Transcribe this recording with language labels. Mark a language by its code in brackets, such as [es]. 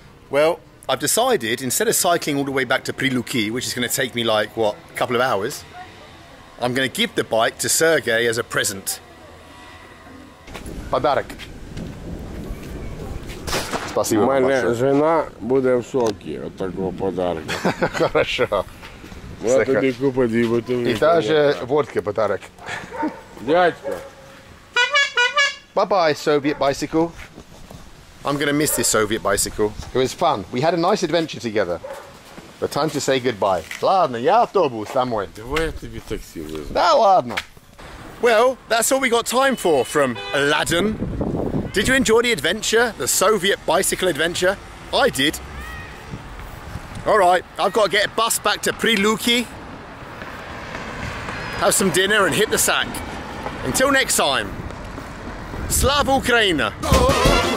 [en] Well, I've decided, instead of cycling all the way back to Priluki, which is going to take me like, what, a couple of hours, I'm going to give the bike to Sergey as a present. [ru] Подарок. Спасибо. Моя жена будет в шоке от такого подарка. Хорошо. Я тебе куплю бутылку. И даже водка подарок. Дядька. [en] Bye-bye, Soviet bicycle. I'm going to miss this Soviet bicycle. It was fun. We had a nice adventure together. But time to say goodbye. [ru] Ладно, я автобус домой. Давай я тебе такси вызову. Да ладно. [en] Well, that's all we got time for from Aladdin. Did you enjoy the adventure? The Soviet bicycle adventure? I did. All right, I've got to get a bus back to Priluki. Have some dinner and hit the sack. Until next time. [uk] Slava Ukraina!